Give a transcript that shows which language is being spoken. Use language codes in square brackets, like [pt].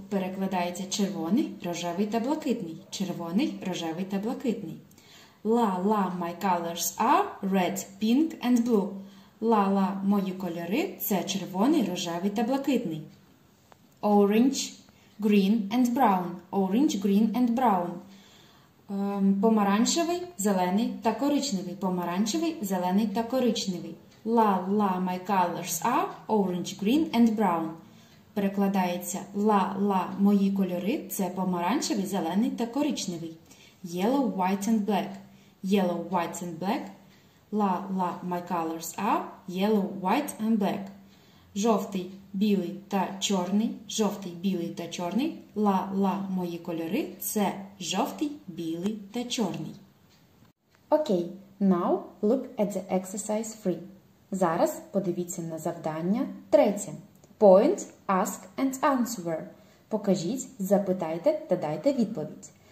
[uk] Перекладається червоний, рожевий та блакитний. Червоний, рожевий та блакитний. [en] La la, my colors are red, pink and blue. [uk] Ла-ла, мої кольори – це червоний, рожевий та блакитний. [en] Orange, green and brown. Orange, green and brown. [uk] Помаранчевий, зелений та коричневий. Помаранчевий, зелений та коричневий. [en] Ла-ла, my colors are orange, green and brown. [uk] Перекладається ла-ла, мої кольори – це помаранчевий, зелений та коричневий. [en] Yellow, white and black. Yellow, white and black. La la, my colors are yellow, white and black. [uk] Жовтий, білий та чорний. Жовтий, білий та чорний. La la, мої кольори це жовтий, білий та чорний. [en] Окей, now look at the exercise 3. [uk] Зараз подивіться на завдання 3. [en] Point, ask and answer. [uk] Покажіть, запитайте та дайте відповідь.